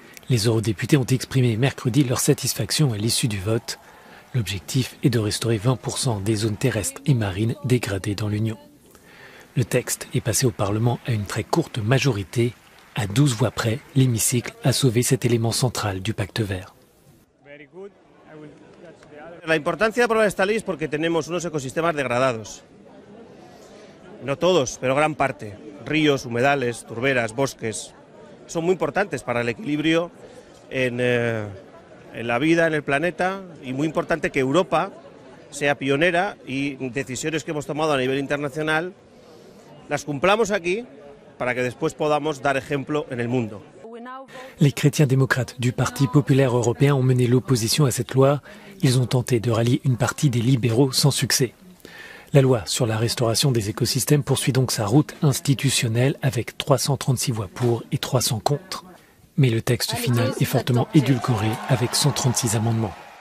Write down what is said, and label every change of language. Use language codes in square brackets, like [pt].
[fr] Les eurodéputés ont exprimé mercredi leur satisfaction à l'issue du vote. L'objectif est de restaurer 20% des zones terrestres et marines dégradées dans l'Union. Le texte est passé au Parlement à une très courte majorité. À 12 voix près, l'hémicycle a sauvé cet élément central du pacte vert. [es] La importancia de aprobar esta ley es porque tenemos unos ecosistemas degradados. No todos, pero gran parte. Ríos, humedales, turberas, bosques. Son muy importantes para el equilibrio en la vida, en el planeta. Y muy importante que Europa sea pionera y decisiones que hemos tomado a nivel internacional las cumplamos aquí para que después podamos dar ejemplo en el mundo. [fr] Les chrétiens démocrates du Parti populaire européen ont mené l'opposition à cette loi. Ils ont tenté de rallier une partie des libéraux sans succès. La loi sur la restauration des écosystèmes poursuit donc sa route institutionnelle avec 336 voix pour et 300 contre. Mais le texte final est fortement édulcoré avec 136 amendements.